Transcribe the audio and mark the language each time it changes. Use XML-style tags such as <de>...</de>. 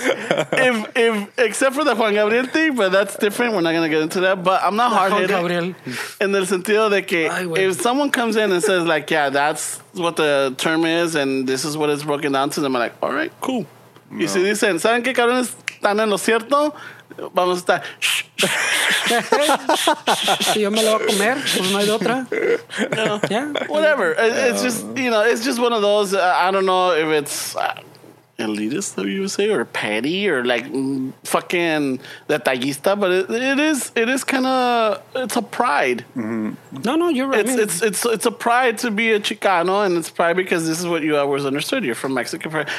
<en>If except for the Juan Gabriel thing, but that's different. We're not gonna get into that. But I'm not hard headed. Juan Gabriel. In the</en> <es>sentido de que</es> <en>if someone comes in and says like, yeah, that's what the term is, and this is what it's broken down to, I'm like, all right, cool. No.</en> <es>Y si dicen, ¿saben qué cabrones están en lo cierto? Vamos a estar. Si yo me lo voy a comer, pues no hay de otra.</es> <en>Whatever. It's just, you know, it's just one of those. I don't know if it's elitist that you say, or petty, or like fucking detallista, but it is kind of, it's a pride. Mm-hmm. No, you're right. It's a pride to be a Chicano, and it's pride because this is what you always understood. You're from Mexico.</en>